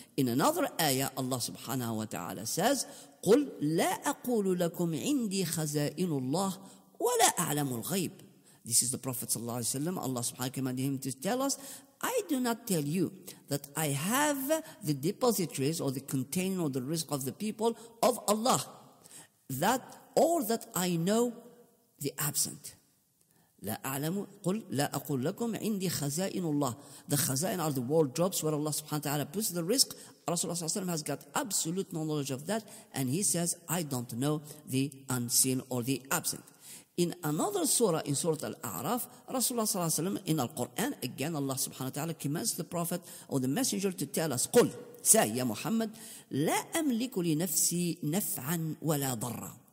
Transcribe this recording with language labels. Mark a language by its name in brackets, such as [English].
[English] In another ayah, Allah subhanahu wa ta'ala says, [Arabic] قُلْ لَا أَقُولُ لَكُمْ عِنْدِي خَزَائِنُ اللَّهِ وَلَا أَعْلَمُ الْغَيْبِ. [English] This is the Prophet sallallahu alaihi wasallam. Allah subhanahu wa ta'ala commanded him to tell us, I do not tell you that I have the depositories or the container or the rizq of the people of Allah, that or that I know the absent. [Arabic] لا أعلم قل لا أقول لكم عندي خزائن الله. [English] The خزائن are the wardrobes where Allah subhanahu wa ta'ala puts the rizq. Rasulullah sallallahu alaihi wasallam has got absolute knowledge of that, and he says, I don't know the unseen or the absent. In another surah, in Surah Al-A'raf, Rasulullah sallallahu alaihi wasallam, in Al-Quran, again Allah subhanahu wa ta'ala commands the Prophet or the Messenger to tell us, قل, say, يا محمد, [Arabic] لا أملك لنفسي نفعا ولا ضرا.